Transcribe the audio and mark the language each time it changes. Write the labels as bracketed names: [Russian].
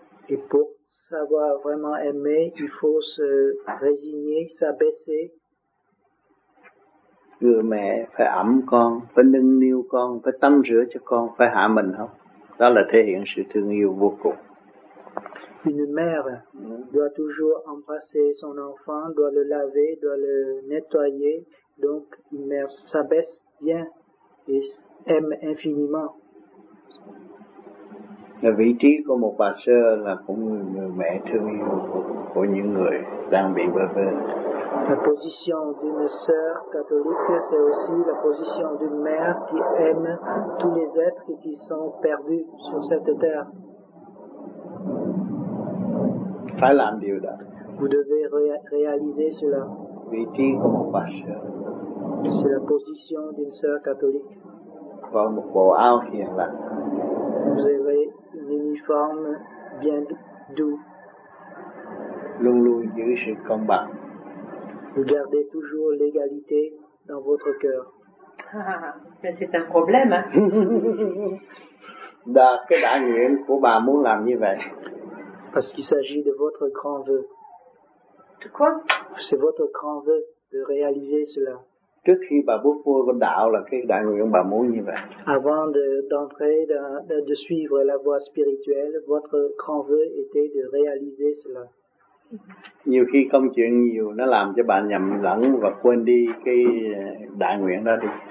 [French] Et pour savoir vraiment aimer, il faut se résigner, s'abaisser. [Vietnamese] Người mẹ phải ẵm con, phải nâng niu con, phải tắm rửa cho con, phải hạ mình không? Đó là thể hiện sự thương yêu vô cùng. [French] Une mère doit toujours embrasser son enfant, doit le laver, doit le nettoyer. Donc une mère s'abaisse bien et aime infiniment. [Vietnamese] Là vị trí của một bà sơ là cũng người mẹ thương yêu của những người đang bị bơ vơ. [French] La position d'une sœur catholique, c'est aussi la position d'une mère qui aime tous les êtres qui sont perdus sur cette terre. [Vietnamese] Phải làm điều đó. [French] Vous devez réaliser cela. [Vietnamese] Vị trí của một bà sœur. [French] C'est la position d'une sœur catholique. [Vietnamese] Vào một bộ áo hiền lành. [French] Vous avez une uniforme bien doux. [Vietnamese] Luôn luôn giữ sự công bằng. [French] Vous gardez toujours l'égalité dans votre cœur. Ah, mais c'est un problème. [Vietnamese] Cái đại nguyện của bà muốn làm như vậy. [French] Parce qu'il s'agit de votre grand vœu. De quoi? C'est votre grand vœu de réaliser cela. [Vietnamese] Trước khi bà bước vô con đạo là cái đại nguyện bà muốn như vậy. [French] Avant d'entrer, de suivre la voie spirituelle, votre grand vœu était de réaliser cela. [Vietnamese] Nhiều khi công chuyện nhiều nó làm cho bạn nhầm lẫn và quên đi cái đại nguyện đó đi.